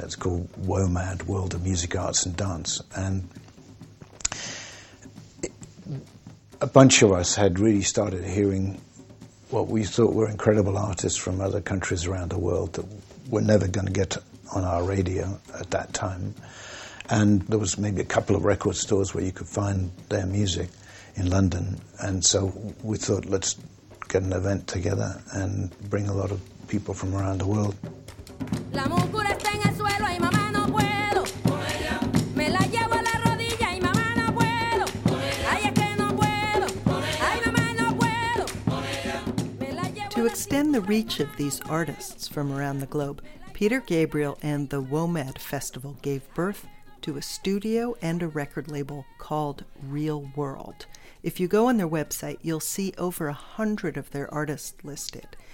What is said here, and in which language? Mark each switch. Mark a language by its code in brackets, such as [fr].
[en] It's called WOMAD, World of Music, Arts and Dance. And a bunch of us had really started hearing what we thought were incredible artists from other countries around the world that were never going to get on our radio at that time. And there was maybe a couple of record stores where you could find their music in London. And so we thought, let's get an event together and bring a lot of people from around the world. [es] La mucura está en el suelo y mamá no puedo. Me la llevo a la rodilla y mamá no puedo. Ay, es que no puedo. Ay, mamá no puedo. Me la llevo. [en] To extend the reach of these artists from around the globe, Peter Gabriel and the WOMAD Festival gave birth to a studio and a record label called Real World. If you go on their website, you'll see over 100 of their artists listed.